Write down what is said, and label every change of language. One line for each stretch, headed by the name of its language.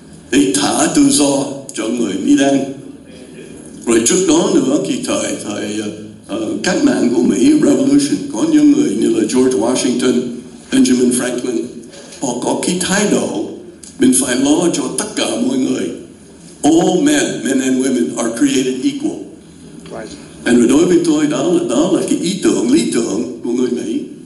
Vietnamese: Để thả tự do cho người Mỹ đang. Rồi trước đó nữa, khi thời cách mạng của Mỹ, Revolution, có những người như là George Washington, Benjamin Franklin, họ có cái thái độ, mình phải lo cho tất cả mọi người.
English: All men, men and women, are created equal. Right.
Vietnamese: And đối với tôi, đó là cái ý tưởng, lý tưởng của người Mỹ.